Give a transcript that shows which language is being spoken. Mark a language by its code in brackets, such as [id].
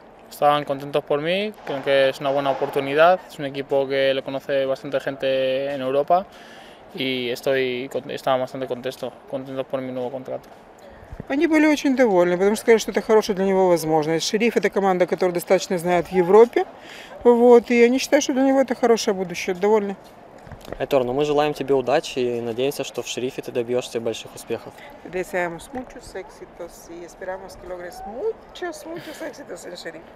[es] Estaban contentos por mí, creo que es una buena oportunidad, es un equipo que lo conoce bastante gente en Europa y estaba bastante contentos por mi nuevo contrato. [ru] Они были очень довольны, потому что сказали, что это хорошая для него возможность. Шериф – это команда, которую достаточно знают в Европе, вот, и они считают, что для него это хорошее будущее, довольны. Айтор, ну мы желаем тебе удачи и надеемся, что в Шерифе ты добьешься больших успехов. [es] Deseamos muchos éxitos y esperamos que logres muchos, muchos éxitos en Шериф.